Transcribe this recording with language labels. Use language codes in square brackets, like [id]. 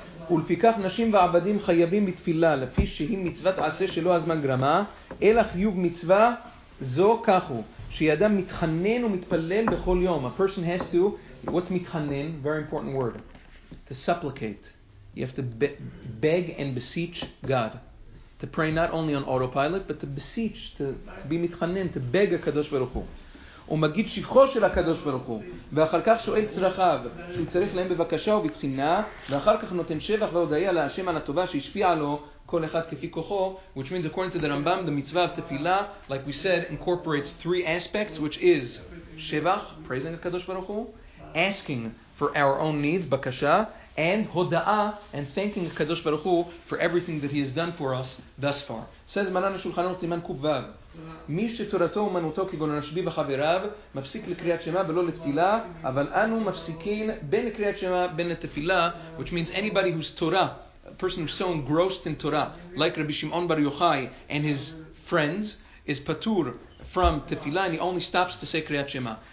[he] ולפיכך נשים ועבדים חייבים בתפילה לפי שהיא מצוות עשה שלא הזמן גרמה, אלא חיוב מצווה זו ככו, שידם מתחנן ומתפלל בכל יום. [en] A person has to, what's [he] מתחנן? [en] Very important word. To supplicate. You have to beg and beseech God. To pray not only on autopilot, but to beseech, to be מתחנן, to beg הקדוש ברוך הוא. [he] הוא מגיד שיחו של הקדוש ברוך הוא, ואחר כך שואל צרכיו, שהוא צריך להם בבקשה ובתחינה, ואחר כך נותן שבח והודעיה להשם על הטובה שהשפיע לו, כל אחד כפי כוחו, [en] which means according to the Rambam, the mitzvah of tefillah, like we said, incorporates three aspects, which is שבח, praising הקדוש ברוך הוא, asking for our own needs, בקשה, and הודעה, and thanking הקדוש ברוך הוא for everything that he has done for us thus far. Says מרן השולחן ערוך סימן קו"ו, [he] מי שתורתו אומנותו כגון רשב"י וחבריו מפסיק לקריאת שמע ולא לתפילה, אבל אנו מפסיקים בין לקריאת שמע בין לתפילה, [en] which means anybody who's Torah, a person who's so engrossed in Torah, like Rabbi Shimon Bar Yochai and his friends, is patur from tefillah and he only stops to say kriyat shema.